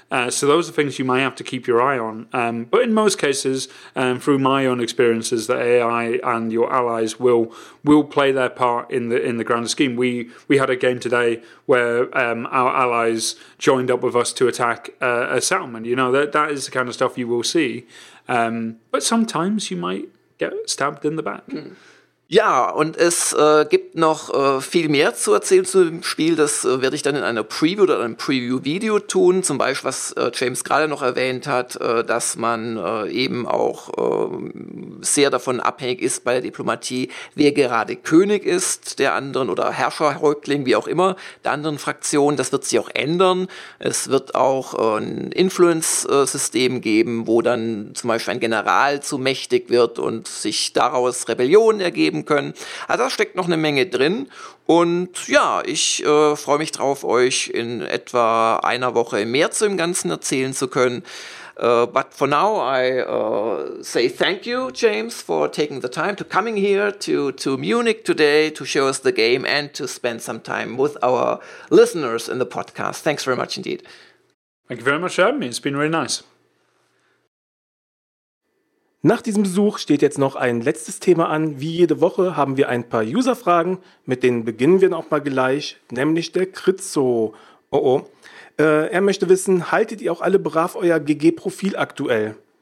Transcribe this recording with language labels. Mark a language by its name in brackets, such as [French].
[English] So those are things you might have to keep your eye on. But in most cases, through my own experiences, the AI and your allies will play their part in the grander scheme. We had a game today where our allies joined up with us to attack a settlement. You know, that is the kind of stuff you will see. But sometimes you might get stabbed in the back. Mm. [German] Ja, und es gibt noch viel mehr zu erzählen zu dem Spiel. Das werde ich dann in einer Preview oder einem Preview-Video tun. Zum Beispiel, was James gerade noch erwähnt hat, dass man eben auch sehr davon abhängig ist bei der Diplomatie, wer gerade König ist, der anderen oder Herrscher, Häuptling, wie auch immer, der anderen Fraktion. Das wird sich auch ändern. Es wird auch ein Influence-System geben, wo dann zum Beispiel ein General zu mächtig wird und sich daraus Rebellionen ergeben können. Also da steckt noch eine Menge drin und ja, ich freue mich drauf, euch in etwa einer Woche mehr zu dem Ganzen erzählen zu können. [English] But for now, I say thank you, James, for taking the time to coming here to Munich today to show us the game and to spend some time with our listeners in the podcast. Thanks very much indeed. Thank you very much for having me. It's been really nice. [German] Nach diesem Besuch steht jetzt noch ein letztes Thema an. Wie jede Woche haben wir ein paar User-Fragen, mit denen beginnen wir dann auch mal gleich, nämlich der Kritzo. Oh oh. Er möchte wissen, haltet ihr auch alle brav euer GG-Profil aktuell?